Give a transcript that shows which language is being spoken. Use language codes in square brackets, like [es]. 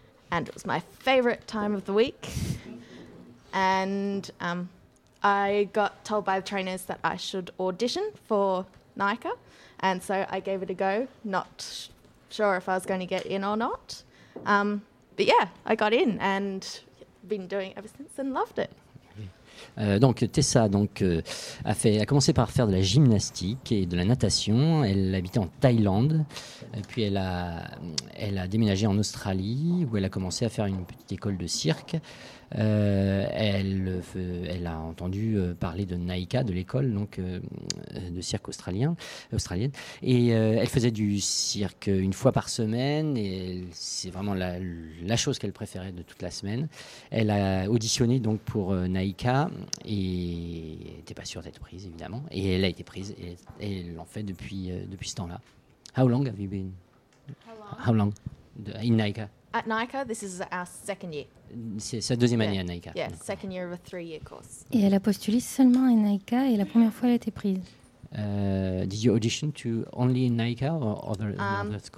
[en] And it was my favorite time of the week. And I got told by the trainers that I should audition for NICA. And so I gave it a go, not sure if I was going to get in or not. But yeah, I got in and been doing it ever since and loved it. [fr] Donc Tessa a commencé par faire de la gymnastique et de la natation. Elle habitait en Thaïlande, puis elle a déménagé en Australie où elle a commencé à faire une petite école de cirque. Elle a entendu parler de NICA, de l'école donc de cirque australienne, et elle faisait du cirque une fois par semaine, et c'est vraiment la chose qu'elle préférait de toute la semaine. Elle a auditionné donc pour NICA et n'était pas sûre d'être prise, évidemment, et elle a été prise et elle en fait depuis ce temps-là. [en] How long have you been? How long? How long in NICA? At NICA, this is our second year. [fr] C'est sa deuxième année à NICA. [en] Yeah, second year of a three-year course. [fr] Et elle a postulé seulement à NICA et la première fois elle a été prise. [en] Did you audition to only in NICA or other school?